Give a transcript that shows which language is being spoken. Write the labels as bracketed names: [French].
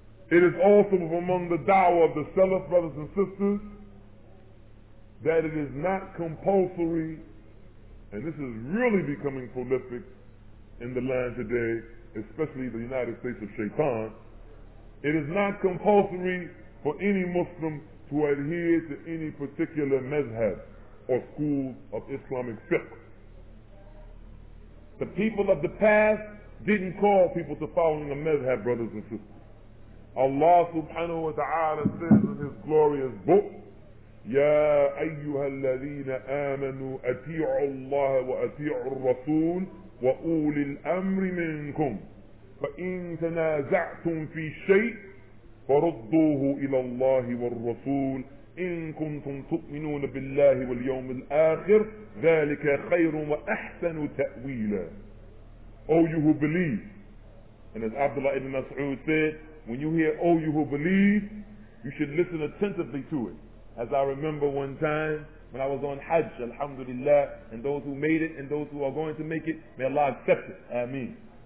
[English] It is also among the da'wah of the Salaf, brothers and sisters, that it is not compulsory, and this is really becoming prolific in the land today, especially the United States of Shaitan, it is not compulsory for any Muslim to adhere to any particular mazhab or school of Islamic fiqh. The people of the past didn't call people to following a mazhab, brothers and sisters. Allah subhanahu wa ta'ala says in His glorious book, [Arabic] يا أيها الذين آمنوا أطيعوا الله وأطيعوا الرسول وأولي الأمر منكم فإن تنازعتم في شيء فردوه إلى الله والرسول إن كنتم تؤمنون بالله واليوم الآخر ذلك خير وأحسن تأويلا. [English] Oh, you who believe. And as Abdullah ibn Mas'ud said, when you hear, oh, you who believe, you should listen attentively to it. As I remember one time when I was on Hajj, alhamdulillah, and those who made it and those who are going to make it, may Allah accept it. Ameen.